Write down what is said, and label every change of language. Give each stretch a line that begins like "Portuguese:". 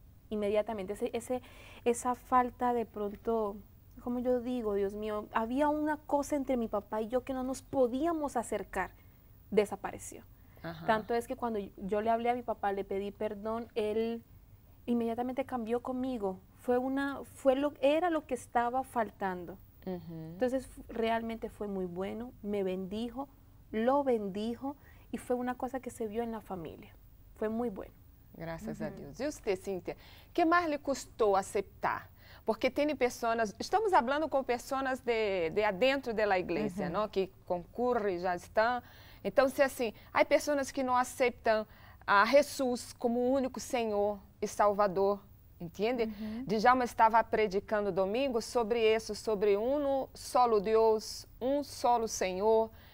Portuguese: Imediatamente. Essa falta de pronto.
Spanish: Como yo digo, Dios mío, había una cosa entre mi papá y yo que no nos podíamos acercar, desapareció. Ajá. Tanto es que cuando yo le hablé a mi papá, le pedí perdón, él inmediatamente cambió conmigo. Era lo que estaba faltando. Uh-huh. Entonces, realmente fue muy bueno, me bendijo, lo bendijo y fue una cosa que se vio en la familia. Fue muy bueno. Gracias uh-huh. a Dios. ¿Y usted, Cintia, qué más le costó aceptar?
Portuguese: Porque tem pessoas, estamos falando com pessoas de adentro da igreja, uhum. que concorrem, já estão. Então, se assim, há pessoas que não aceitam a Jesus como o único Senhor e Salvador, entende? Uhum. Djalma estava predicando domingo sobre isso, sobre um solo Deus, um solo Senhor.